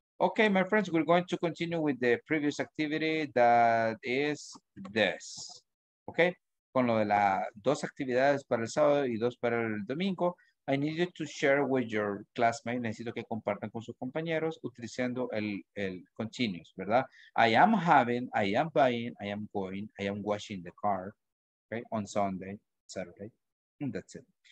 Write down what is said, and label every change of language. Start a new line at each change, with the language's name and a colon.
English: Okay, my friends, we're going to continue with the previous activity that is this.
Spanish: Okay, con lo de la dos actividades para el sábado y dos para el domingo.
English: I need you to share with your classmates.
Spanish: Necesito que compartan con sus compañeros utilizando el continuous, ¿verdad?
English: I am having, I am buying, I am going, I am washing the car, okay, on Sunday, Saturday, and that's it.